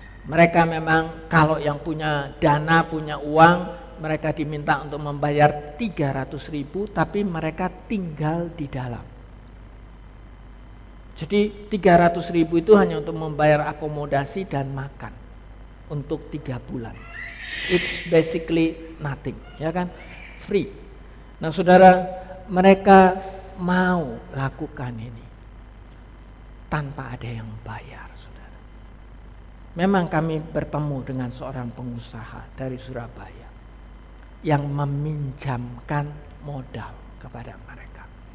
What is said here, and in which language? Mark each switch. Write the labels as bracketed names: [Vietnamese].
[Indonesian] Mereka memang kalau yang punya dana, punya uang, mereka diminta untuk membayar 300.000, tapi mereka tinggal di dalam. Jadi 300.000 itu hanya untuk membayar akomodasi dan makan untuk 3 bulan. [English] It's basically nothing, [Indonesian] ya kan? [English] Free. [Indonesian] Nah, saudara, mereka mau lakukan ini tanpa ada yang bayar, saudara. Memang kami bertemu dengan seorang pengusaha dari Surabaya yang meminjamkan modal kepada mereka.